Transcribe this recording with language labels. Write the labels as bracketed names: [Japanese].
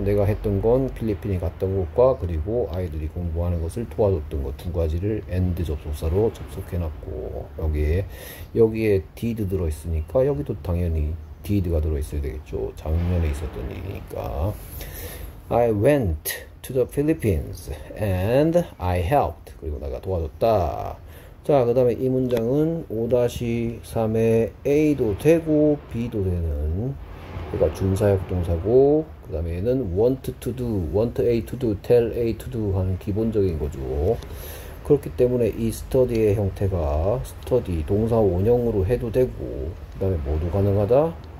[Korean] 내가 했던 건 필리핀에 갔던 것과 그리고 아이들이 공부하는 것을 도와줬던 것두 가지를 and 접속사로 접속해놨고 여기에 did 들어있으니까 여기도 당연히 did가 들어있어야 되겠죠. 작년에 있었던 일이니까. [English] I went to the Philippines and I helped. [Korean] 그리고 내가 도와줬다. 자, 그 다음에 이 문장은 5-3에 A도 되고 B도 되는. 그러니까 준사역 동사고, 그 다음에는 want to do, want A to do, tell A to do 하는 기본적인 거죠. 그렇기 때문에 이 study의 형태가 study, 동사 원형으로 해도 되고, 그 다음에 모두 가능하다.